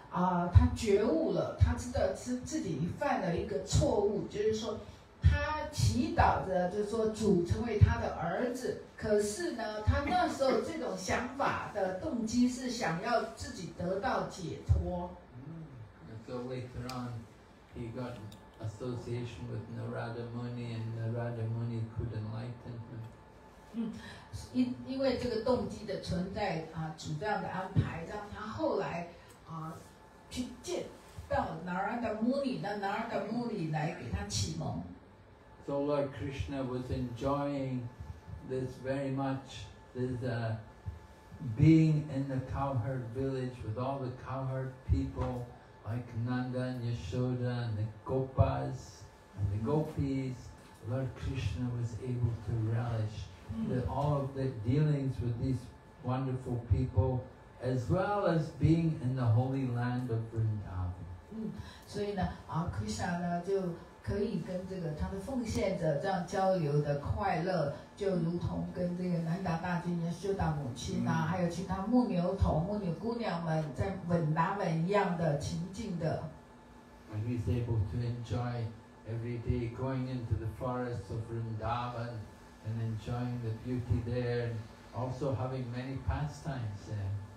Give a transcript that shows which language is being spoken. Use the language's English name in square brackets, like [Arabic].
[Chinese] 他觉悟了，他知道是自己犯了一个错误，就是说他祈祷着就是说主成为他的儿子，可是呢他那时候这种想法的动机是想要自己得到解脱。 [English] So later on he got association with Narada Muni and Narada Muni could enlighten him. [Chinese] 因为这个动机的存在啊，主这样的安排让他后来去见到 Narada Muni， 那 Narada Muni 来给他启蒙。 [English] So Lord Krishna was enjoying this very much, this being in the cowherd village with all the cowherd people like Nanda and Yashoda and the gopas and the gopis. Lord Krishna was able to relish all of the dealings with these wonderful people, as well as being in the holy land of Vrindavan. [Chinese] So, Krishna, 可以跟这个他的奉献者这样交流的快乐，就如同跟这个南达大君、耶稣达母亲呐，还有其他牧牛童、牧牛姑娘们在稳达稳一样的情境的。 [English] And he's able to enjoy every day going into the forests of Vrindavan and enjoying the beauty there, and also having many pastimes there.